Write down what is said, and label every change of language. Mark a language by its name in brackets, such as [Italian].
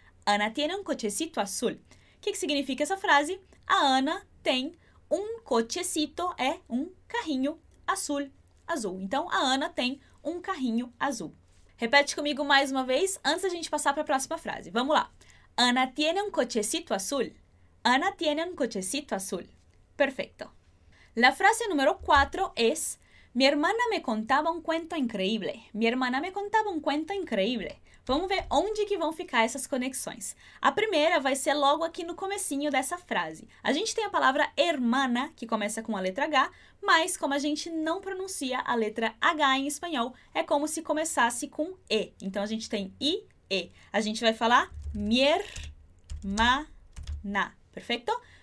[Spanish] Ana tiene un cochecito azul. ¿Qué significa esa frase? [Portuguese] A Ana tem un cochecito, é um carrinho azul, azul. Então, a Ana tem um carrinho azul. Repete comigo mais uma vez, antes da gente passar para a próxima frase. Vamos lá. [Spanish] Ana tiene un cochecito azul. Ana tiene un cochecito azul. Perfecto. La frase número 4 es, mi hermana me contaba un cuento increíble. Mi hermana me contaba un cuento increíble. [Portuguese] Vamos ver onde que vão ficar essas conexões. A primeira vai ser logo aqui no comecinho dessa frase. A gente tem a palavra hermana, que começa com a letra H, mas como a gente não pronuncia a letra H em espanhol, é como se começasse com E. Então, a gente tem I, E. A gente vai falar mi-er-ma-na, perfeito?